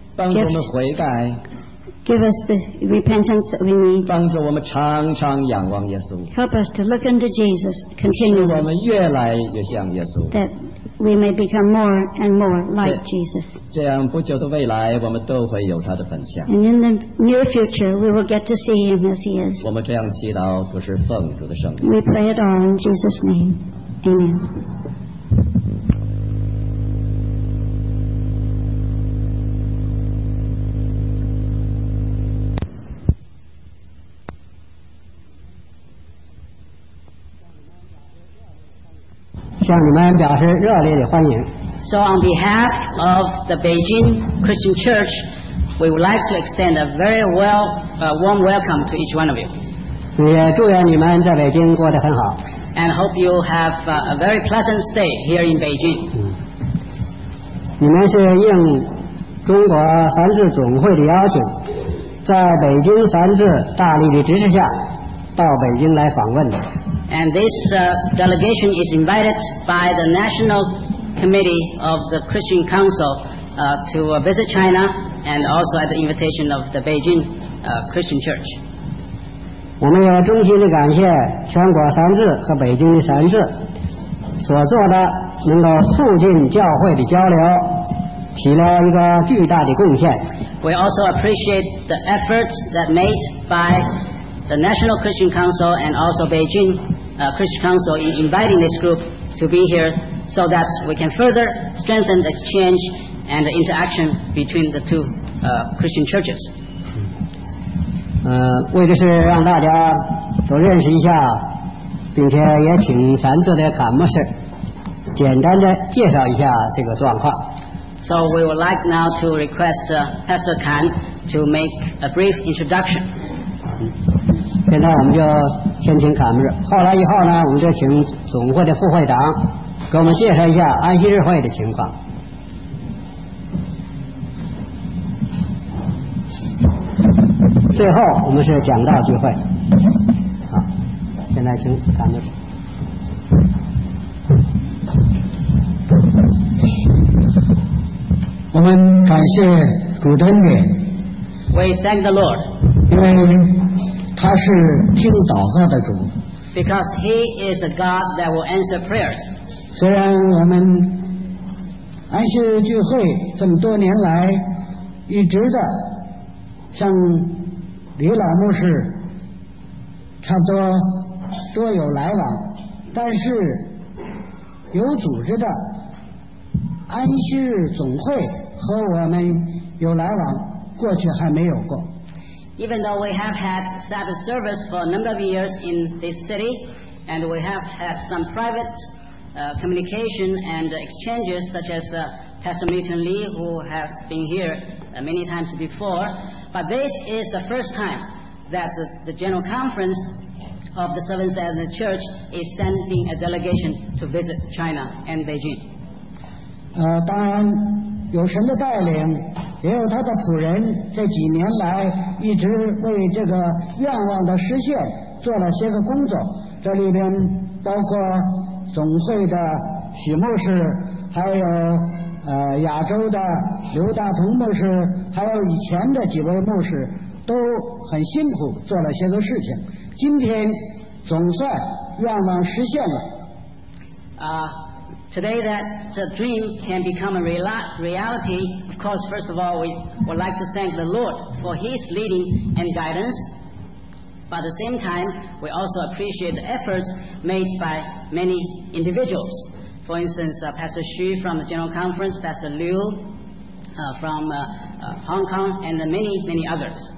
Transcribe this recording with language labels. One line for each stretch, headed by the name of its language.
Chinese: 帮助我们悔改
English: Give us the repentance that we need.
Chinese: 帮助我们常常仰望耶稣。
English: Help us to look unto Jesus continually.
Chinese: 使我们越来越像耶稣。
English: That we may become more and more like Jesus.
Chinese: 这样不久的未来，我们都会有他的本相。
English: And in the near future, we will get to see him as he is.
Chinese: 我们这样祈祷，都是奉主的圣名。
English: We pray it all in Jesus' name. Amen. So on behalf of the Beijing Christian Church, we would like to extend a very warm welcome to each one of you.
Chinese: 也祝愿你们在北京过得很好。
English: And hope you have a very pleasant stay here in Beijing.
Chinese: 你们是应中国三智总会的邀请，在北京三智大力的支持下，到北京来访问的。
English: And this delegation is invited by the National Committee of the Christian Council to visit China and also at the invitation of the Beijing Christian Church.
Chinese: 我们也衷心地感谢全国三智和北京的三智所做的能够促进教会的交流起了一个巨大的贡献。
English: We also appreciate the efforts that made by the National Christian Council and also Beijing Christian Council in inviting this group to be here so that we can further strengthen the exchange and the interaction between the two Christian churches.
Chinese: 为的是让大家都认识一下并且也请三智的感牧师简单的介绍一下这个状况。
English: So we would like now to request Pastor Kan to make a brief introduction.
Chinese: 现在我们就先请卡姆斯，后来以后呢，我们就请总会的副会长给我们介绍一下安息日会的情况。最后我们是讲道聚会。好，现在请卡姆斯。我们感谢主的恩典。
English: We thank the Lord.
Chinese: 因为他是听祷告的主
English: Because he is a God that will answer prayers.
Chinese: 虽然我们安息日聚会这么多年来一直的像李老牧师差不多多有来往，但是有组织的安息日总会和我们有来往，过去还没有过。
English: Even though we have had Sabbath service for a number of years in this city, and we have had some private communication and exchanges, such as Pastor Milton Lee, who has been here many times before, but this is the first time that the General Conference of the Seventh Day Adventist Church is sending a delegation to visit China and Beijing.
Chinese: 当然，有神的带领，也有他的仆人这几年来一直为这个愿望的实现做了些个工作，这里边包括总会的许牧师，还有亚洲的刘大同牧师，还有以前的几位牧师都很辛苦做了些个事情，今天总算愿望实现了。
English: Today that the dream can become a reality, of course, first of all, we would like to thank the Lord for His leading and guidance. But at the same time, we also appreciate the efforts made by many individuals. For instance, Pastor Xu from the General Conference, Pastor Liu from Hong Kong, and many, many others.